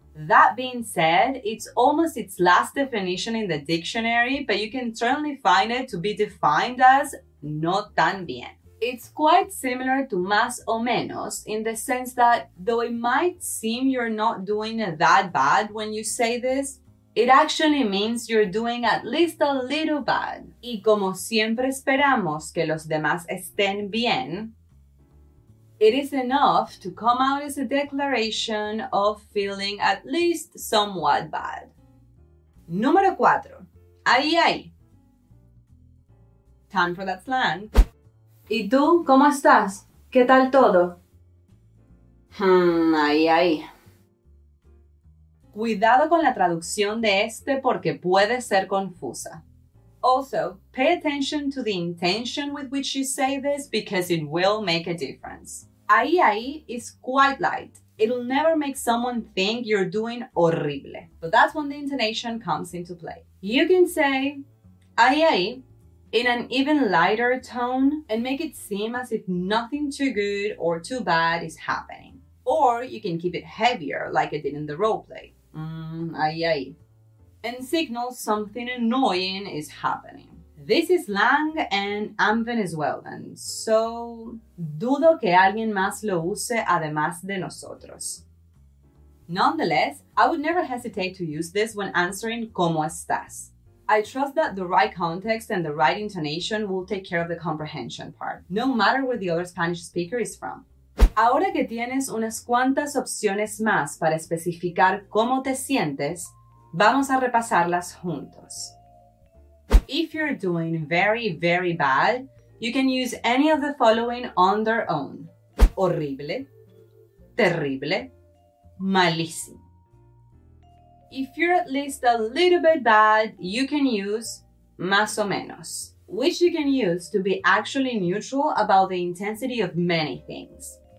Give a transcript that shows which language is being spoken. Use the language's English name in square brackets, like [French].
[English] That being said, it's almost its last definition in the dictionary, but you can certainly find it to be defined as [Spanish] no tan bien. [English] It's quite similar to [Spanish] más o menos [English] in the sense that though it might seem you're not doing that bad when you say this, it actually means you're doing at least a little bad. [Spanish] Y como siempre esperamos que los demás estén bien, [English] it is enough to come out as a declaration of feeling at least somewhat bad. [Spanish] Número 4. Ahí, ahí. [English] Time for that slang. [Spanish] ¿Y tú cómo estás? ¿Qué tal todo? Ahí, ahí. Cuidado con la traducción de este porque puede ser confusa. [English] Also, pay attention to the intention with which you say this because it will make a difference. [Spanish] Ahí, ahí [English] is quite light, It'll never make someone think you're doing horrible. But that's when the intonation comes into play. You can say, [Spanish] ahí, ahí, [English] in an even lighter tone and make it seem as if nothing too good or too bad is happening. Or you can keep it heavier like it did in the roleplay. [Spanish] Ahí, ahí. [English] And signal something annoying is happening. This is slang and I'm Venezuelan, so [Spanish] dudo que alguien más lo use además de nosotros. [English] Nonetheless, I would never hesitate to use this when answering [Spanish] ¿cómo estás? [English] I trust that the right context and the right intonation will take care of the comprehension part, no matter where the other Spanish speaker is from. [Spanish] Ahora que tienes unas cuantas opciones más para especificar cómo te sientes, vamos a repasarlas juntos. [English] If you're doing very, very bad, you can use any of the following on their own. [Spanish] Horrible, terrible, malísimo. [English] If you're at least a little bit bad, you can use [Spanish] más o menos, [English] which you can use to be actually neutral about the intensity of many things.